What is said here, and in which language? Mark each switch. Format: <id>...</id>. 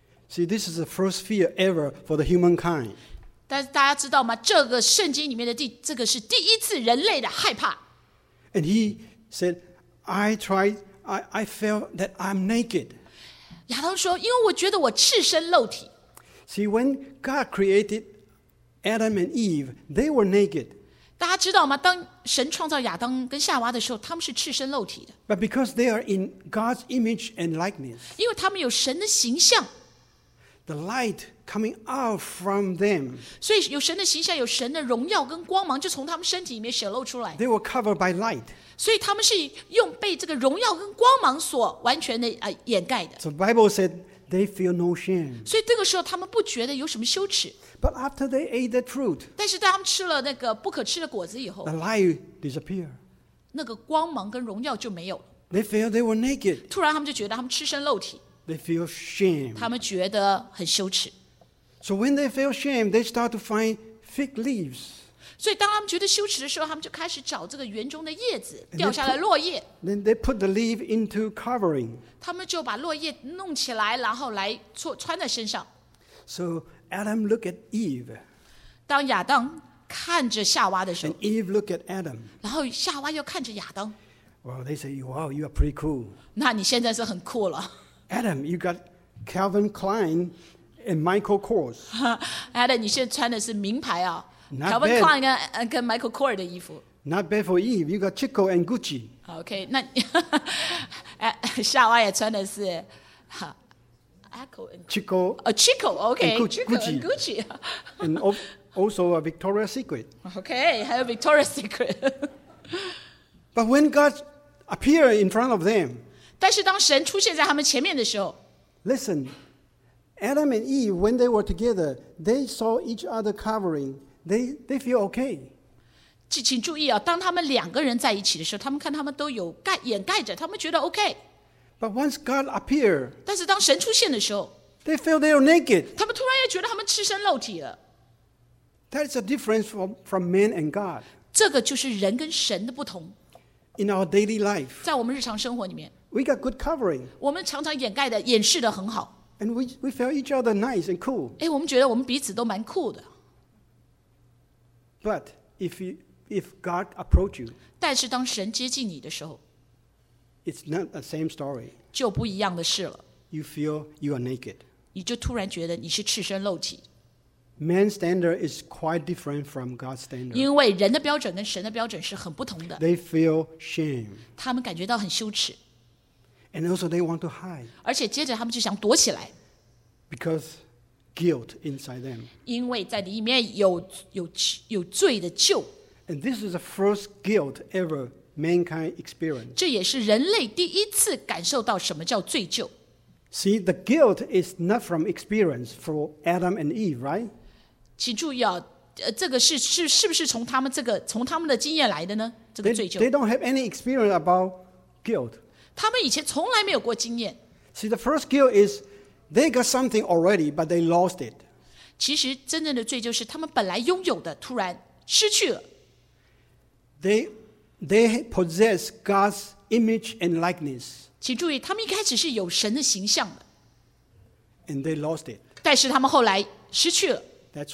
<en>See, this is the first fear ever for the humankind.</en> <zh>但是大家知道吗？这个圣经里面的这个是第一次人类的害怕。</zh> <en>And he said, I felt that I'm naked.</en> <zh>亚当说，因为我觉得我赤身露体。</zh> <en>See, when God created Adam and Eve, they were naked.</en> <zh>大家知道吗？当神创造亚当跟夏娃的时候，他们是赤身露体的。</zh> <en>But because they are in God's image and likeness.</en> <zh>因为他们有神的形象。</zh> <en>The light coming out from them.</en> <zh>所以有神的形象，有神的荣耀跟光芒就从他们身体里面显露出来。</zh> <en>They were covered by light.</en> <zh>所以他们是用被这个荣耀跟光芒所完全的掩盖的。</zh> <en>So the Bible said they feel no shame.</en> <zh>所以这个时候他们不觉得有什么羞耻。</zh> <en>But after they ate that fruit,</en> <zh>但是当他们吃了那个不可吃的果子以后</zh> <en>the light disappeared.</en> <zh>那个光芒跟荣耀就没有了。</zh> <en>They felt they were naked.</en> <zh>突然他们就觉得他们赤身露体。</zh> <en>They feel shame.</en> <zh>他们觉得很羞耻。</zh> <en>So when they feel shame, they start to find fig leaves.</en> <zh>所以当他们觉得羞耻的时候，他们就开始找这个园中的叶子，掉下来落叶。</zh> <en>Then they put the leaf into covering.</en> <zh>他们就把落叶弄起来，然后来穿在身上。</zh> <en>So Adam looked at Eve.</en> <zh>当亚当看着夏娃的时候</zh> <en>，And Eve looked at Adam.</en> <zh>然后夏娃又看着亚当。</zh> <en>Well, they say, "Wow, you are pretty cool."</en> <zh>那你现在是很酷了。</zh> <en>Adam, you got Calvin Klein and Michael Kors.</en> <zh>Adam, 你现在穿的是名牌啊 ，Calvin Klein 跟 Michael Kors 的衣服。</zh> <en>Not bad for Eve. You got Chico and Gucci.</en> <zh>Okay, 那夏娃也穿的是</zh> <en>Echo and Chico. Chico, okay. And Gucci. And Gucci. And also a Victoria's Secret. Okay, I have a Victoria's Secret. But when God appeared in front of them,</en> <zh>但是当神出现在他们前面的时候,</zh> <en>listen, Adam and Eve, when they were together, they saw each other covering. They feel okay.</en> <zh>请注意啊, 当他们两个人在一起的时候, 他们看他们都有盖, 掩盖着, 他们觉得okay。</zh> <en>But once God appeared,</en> <zh>但是当神出现的时候,</zh> <en>they felt they were naked.</en> <zh>他们突然也觉得他们赤身露体了。</zh> <en>That is a difference from man and God.</en> <zh>这个就是人跟神的不同。</zh> <en>In our daily life,</en> <zh>在我们日常生活里面,</zh> <en>we got good covering.</en> <zh>我们常常掩盖的, 掩饰得很好。</zh> <en>And we felt each other nice and cool.</en> <zh>诶, 我们觉得我们彼此都蛮酷的。</zh> <en>But if God approach you,</en> <zh>但是当神接近你的时候,</zh> <en>it's not the same story.</en> <zh>就不一样的事了。</zh> <en>You feel you are naked.</en> <zh>你就突然觉得你是赤身露体。</zh> <en>Man's standard is quite different from God's standard.</en> <zh>因为人的标准跟神的标准是很不同的。</zh> <en>They feel shame.</en> <zh>他们感觉到很羞耻。</zh> <en>And also they want to hide.</en> <zh>而且接着他们就想躲起来。</zh> <en>Because guilt inside them.</en> <zh>因为在里面有罪的疚。</zh> <en>And this is the first guilt ever mankind experienced.</en> <zh>这也是人类第一次感受到什么叫罪疚。</zh> <en>See, the guilt is not from experience for Adam and Eve, right?</en> <zh>请注意啊, 这个是不是从他们的经验来的呢? 这个罪疚。</zh> <en>They don't have any experience about guilt.</en> <zh>他们以前从来没有过经验。</zh> <en>See, the first guilt is they got something already, but they lost it.</en> <zh>其实真正的罪疚是他们本来拥有的突然失去了。</zh> <en>They possess God's image and likeness.</en> <zh>请注意, 他们一开始是有神的形象的,</zh> <en>and they lost it.</en> <zh>但是他们后来失去了。</zh> <en>That's</en>